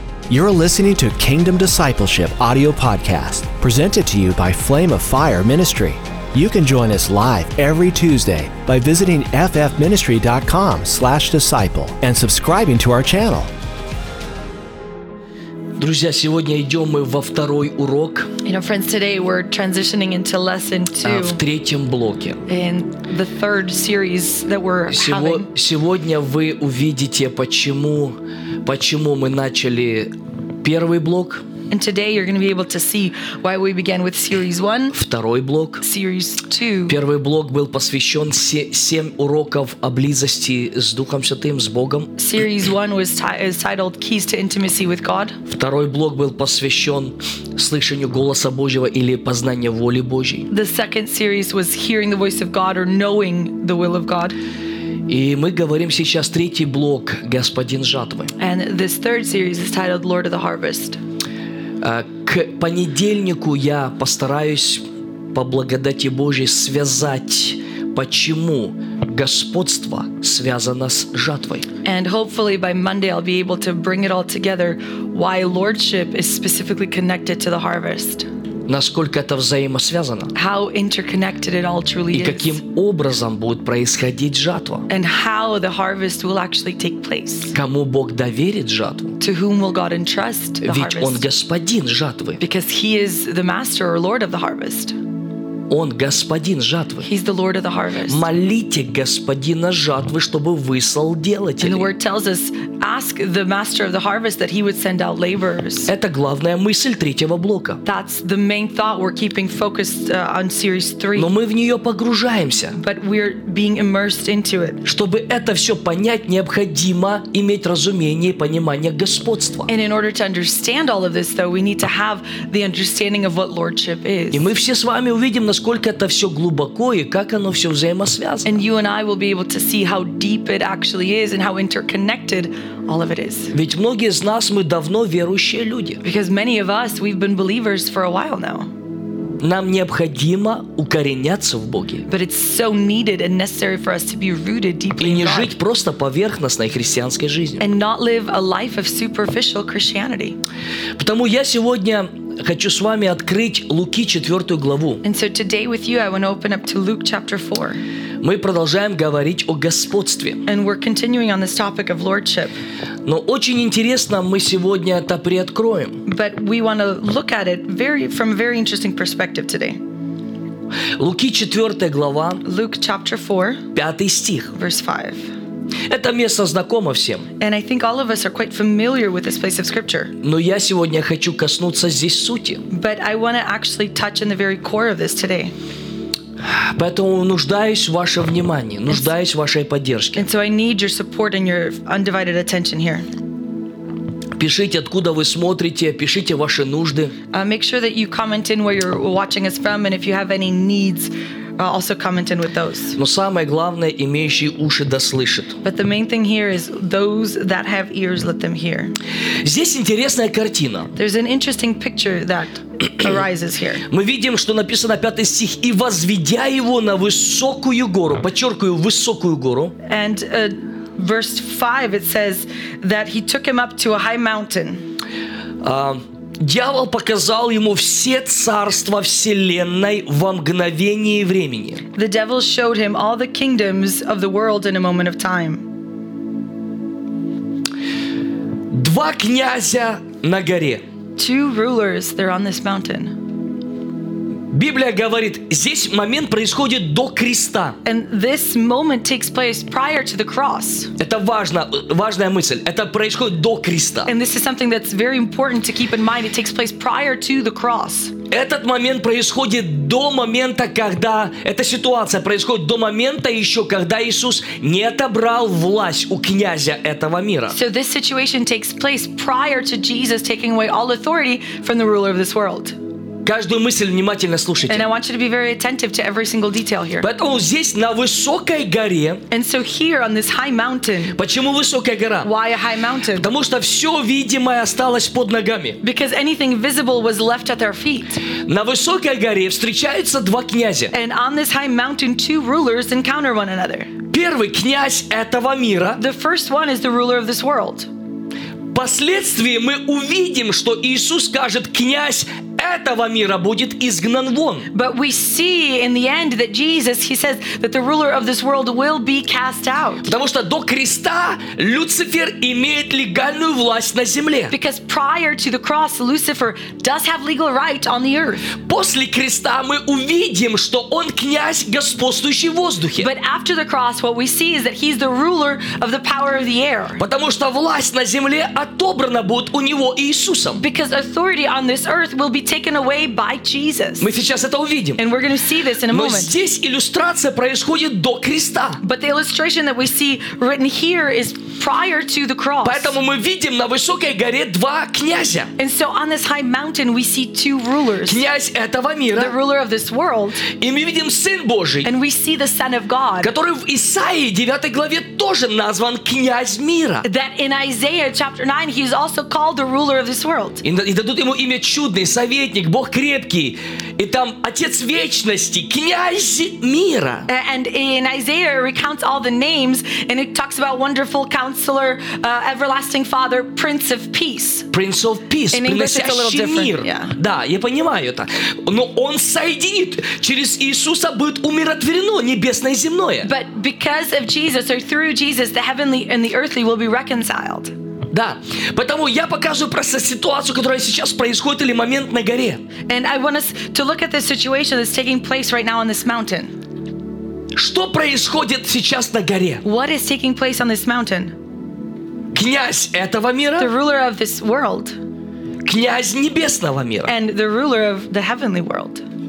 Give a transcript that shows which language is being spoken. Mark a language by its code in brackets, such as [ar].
[en] You're listening to Kingdom Discipleship Audio Podcast, presented to you by Flame of Fire Ministry. You can join us live every Tuesday by visiting ffministry.com/disciple and subscribing to our channel. [ru] Друзья, сегодня идем мы во второй урок. [en] You know, friends, today we're transitioning into lesson two. [ru] В третьем блоке. [en] In the third series that we're having. [ru] Сегодня вы увидите, почему мы начали первый блок. [en] And today you're going to be able to see why we began with series one. [ru] Второй блок. [en] Series two. [ru] Первый блок был посвящен семь уроков о близости с Духом Святым, с Богом. [en] Series one is titled Keys to Intimacy with God. [ru] Второй блок был посвящен слышанию голоса Божьего или познанию воли Божьей. [en] The second series was hearing the voice of God or knowing the will of God. [ru] И мы говорим сейчас третий блок «Господин жатвы». [en] And this third series is titled Lord of the Harvest. [ru] К понедельнику я постараюсь по благодати Божьей связать, почему господство связано с жатвой. [en] And hopefully by Monday I'll be able to bring it all together, why lordship is specifically connected to the harvest. [ru] Насколько это взаимосвязано? [en] How interconnected it all truly is. [ru] И каким образом будет происходить жатва? [en] And how the harvest will actually take place. [ru] Кому Бог доверит жатву? [en] To whom will God entrust the harvest? [ru] Ведь Он господин жатвы. [en] Because He is the master or lord of the harvest. [ru] Он господин жатвы. [en] He's the lord of the harvest. [ru] Молите господина жатвы, чтобы выслал делателей. [en] And the word tells us, ask the master of the harvest that he would send out laborers. [ru] Это главная мысль третьего блока. [en] That's the main thought we're keeping focused on series three. [ru] Но мы в нее погружаемся. [en] But we're being immersed into it. [ru] Чтобы это все понять, необходимо иметь разумение и понимание господства. [en] And in order to understand all of this, though, we need to have the understanding of what lordship is. [ru] И мы все с вами увидим, насколько это все глубоко и как оно все взаимосвязано. [en] And you and I will be able to see how deep it actually is and how interconnected all of it is. [ru] Ведь многие из нас, мы давно верующие люди. [en] Because many of us, we've been believers for a while now. [ru] Нам необходимо укореняться в Боге. [en] But it's so needed and necessary for us to be rooted deeply in God. [ru] И не жить просто поверхностной христианской жизнью. [en] And not live a life of superficial Christianity. [ru] Потому я сегодня хочу с вами открыть Луки 4 главу. [en] And so today with you, I want to open up to Luke chapter 4. [ru] Мы продолжаем говорить о господстве. [en] And we're continuing on this topic of lordship. [ru] Но очень интересно, мы сегодня это приоткроем. [en] But we want to look at it from a very interesting perspective today. [ru] Луки 4 глава. [en] Luke chapter 4. [ru] 5 стих. [en] Verse 5. [ru] Это место знакомо всем. [en] And I think all of us are quite familiar with this place of scripture. [ru] Но я сегодня хочу коснуться здесь сути. [en] But I want to actually touch in the very core of this today. [ru] Поэтому нуждаюсь в вашем внимании, нуждаюсь в вашей поддержке. [en] And so I need your support and your undivided attention here. [ru] Пишите, откуда вы смотрите, пишите ваши нужды. [en] Make sure that you comment in where you're watching us from, and if you have any needs, also comment in with those. [ru] Но самое главное, имеющие уши да слышат. [en] But the main thing here is those that have ears, let them hear. [ru] Здесь интересная картина. [en] There's an interesting picture that arises here. [ru] Мы видим, что написано 5 стих, и возведя его на высокую гору, подчеркиваю, высокую гору. [en] And verse 5, it says that he took him up to a high mountain. [ru] Дьявол показал ему все царства вселенной во мгновение времени. [en] The devil showed him all the kingdoms of the world in a moment of time. [ru] Два князя на горе. [en] Two rulers, they're on this mountain. [ru] Библия говорит, здесь момент происходит до креста. [en] And this moment takes place prior to the cross. [ru] Это важная мысль. Это происходит до креста. [en] And this is something that's very important to keep in mind. It takes place prior to the cross. [ru] Этот момент происходит до момента, когда эта ситуация происходит до момента еще, когда Иисус не отобрал власть у князя этого мира. [en] So this situation takes place prior to Jesus taking away all authority from the ruler of this world. [ru] Каждую мысль внимательно слушайте. [en] And I want you to be very attentive to every single detail here. [ru] Поэтому здесь на высокой горе. [en] And so here on this high mountain. [ru] Почему высокая гора? [en] Why a high mountain? [ru] Потому что все видимое осталось под ногами. [en] Because anything visible was left at their feet. [ru] На высокой горе встречаются два князя. [en] And on this high mountain, two rulers encounter one another. [ru] Первый князь этого мира. [en] The first one is the ruler of this world. [ru] Впоследствии мы увидим, что Иисус скажет: «Князь этого мира будет изгнан вон». [en] But we see in the end that Jesus, he says that the ruler of this world will be cast out. [ru] Потому что до креста Люцифер имеет легальную власть на земле. [en] Because prior to the cross, Lucifer does have legal right on the earth. [ru] После креста мы увидим, что он князь, господствующий в воздухе. [en] But after the cross, what we see is that he's the ruler of the power of the air. [ru] Потому что власть на земле отобрана будет у него Иисусом. [en] Because authority on this earth will be taken away by Jesus. [ru] Мы сейчас это увидим. [en] And we're going to see this in a moment. [ru] Но здесь иллюстрация происходит до креста. [en] But the illustration that we see written here is prior to the cross. [ru] Поэтому мы видим на высокой горе два князя. [en] And so on this high mountain we see two rulers. [ru] Князь этого мира. [en] The ruler of this world. [ru] И мы видим Сын Божий. [en] And we see the Son of God. [ru] Который в Исаии 9 главе тоже назван князь мира. [en] That in Isaiah chapter 9 he is also called the ruler of this world. [ru] И дадут ему имя чудный, Советник, Бог крепкий, и там Отец вечности, князь мира. [en] And in Isaiah recounts all the names, and it talks about wonderful counselor, everlasting father, prince of peace. Prince of peace, in English, [ru] приносящий мир. [en] Yeah. [ru] Да, я понимаю это. Но он соединит, через Иисуса будет умиротворено небесное и земное. [en] But because of Jesus, or through Jesus, the heavenly and the earthly will be reconciled. [ru] Да, потому я показываю просто ситуацию, которая сейчас происходит или момент на горе. [en] And I want us to look at the situation that's taking place right now on this mountain. [ru] Что происходит сейчас на горе? [en] What is taking place on this mountain? [ru] Князь этого мира. [en] The ruler of this world. [ru] Князь небесного мира. [en] And the ruler of the heavenly world.